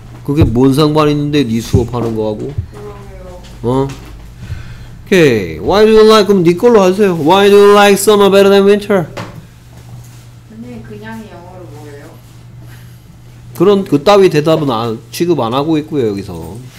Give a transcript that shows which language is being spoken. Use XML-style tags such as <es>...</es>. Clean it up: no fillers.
<ko>그게 뭔 상관 있는데 네 수업하는 거하고? 그러게요.</ko> <en>어? Okay. Why do you like,</en> <ko>그럼 네 걸로 하세요.</ko> <en>Why do you like summer better than winter?</en> <ko>선생님 그냥 영어로 뭐예요? 그런 그 따위 대답은 안, 취급 안 하고 있고요 여기서.</ko>